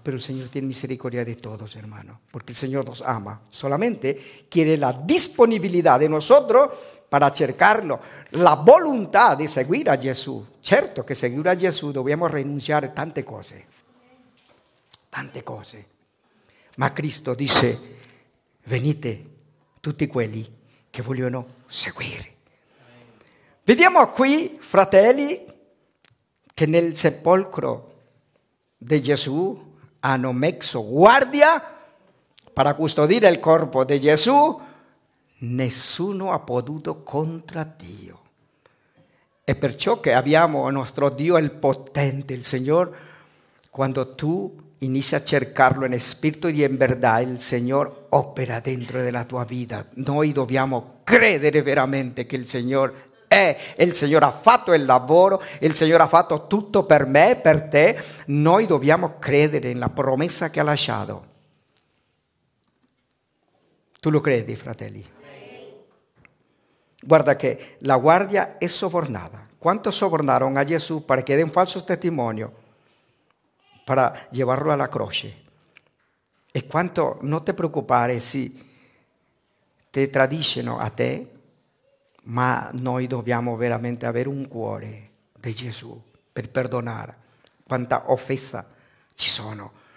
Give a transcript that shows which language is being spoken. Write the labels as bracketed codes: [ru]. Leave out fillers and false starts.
[es] Pero el Señor tiene misericordia de todos, hermano. Porque el Señor nos ama. Solamente quiere la disponibilidad de nosotros para acercarlo. La voluntad de seguir a Jesús. Cierto que seguir a Jesús debemos renunciar a tantas cosas. Tantas cosas. [it] Ma Cristo dice, venite tutti quelli che vogliono seguire. Vediamo qui, fratelli, che nel sepolcro di Gesù hanno messo guardia per custodire il corpo di Gesù. Nessuno ha potuto contro Dio. E perciò che abbiamo il nostro Dio, il potente, il Signore, quando tu inicia a cercarlo en espíritu y en verdad el Señor opera dentro de la tua vida. Noi dobbiamo credere veramente que el Señor es. El Señor ha fatto el lavoro, el Señor ha fatto tutto per me, per te. Noi dobbiamo credere en la promesa que ha lasciato. [es] ¿Tú lo crees, fratelli? Guarda que la guardia es sobornada. ¿Cuántos sobornaron a Jesús para que den falsos testimonios? Para llevarlo a la croce. [it] E quanto non te preoccupare se te tradiscono a te, ma noi dobbiamo veramente avere un cuore di Gesù per perdonare quanta offesa ci sono.